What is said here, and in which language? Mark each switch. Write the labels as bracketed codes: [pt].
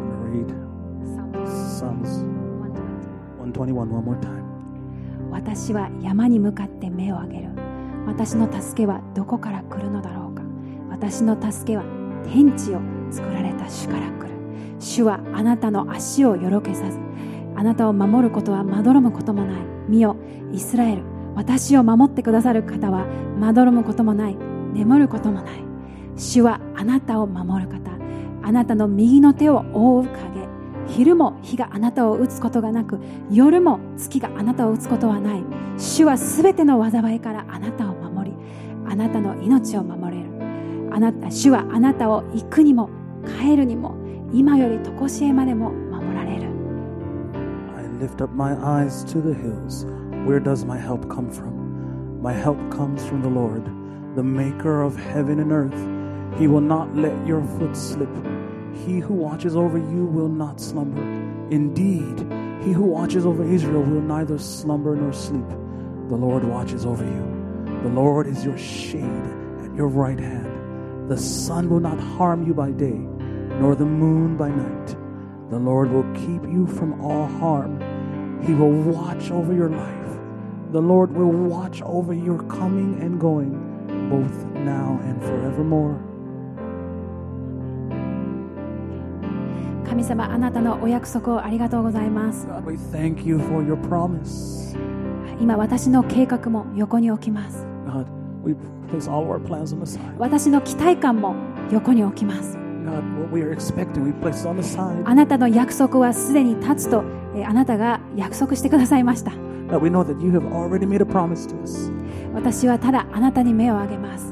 [en] Read Psalms 121 one more time. [ja] 私は山に向かって目を上げる。私の助けはどこから来るのだろうか。私の助けは天地を作られた主から来る。主はあなたの足をよろけさず、あなたを守ることはまどろむこともない。見よ、イスラエル、私を守ってくださる方はまどろむこともない。眠ることもない。主はあなたを守る方、あなたの右の手を覆う影、昼も日があなたを打つことがなく、夜も月があなたを打つことはない。主はすべての災いからあなたを守り、あなたの命を守れる。あなた、主はあなたを行くにも帰るにも今より常しえまでも守られる。 [en] I lift up my eyes to the hills. Where does my help come from? My help comes from the Lord, the maker of heaven and earthHe will not let your foot slip. He who watches over you will not slumber. Indeed, he who watches over Israel will neither slumber nor sleep. The Lord watches over you. The Lord is your shade at your right hand. The sun will not harm you by day, nor the moon by night. The Lord will keep you from all harm. He will watch over your life. The Lord will watch over your coming and going, both now and forevermore. [ja] 神様、あなたのお約束をありがとうございます。 [en] God, we thank you for your promise. [ja] 今私の計画も横に置きます。 [en] God, we place all our plans on the side. [ja] 私の期待感も横に置きます。 [en] God, what we are expecting, we place on the side. [ja] あなたの約束はすでに立つと、あなたが約束してくださいました。 [en] God, we know that you have already made a promise to us. [ja] 私はただあなたに目を上げます。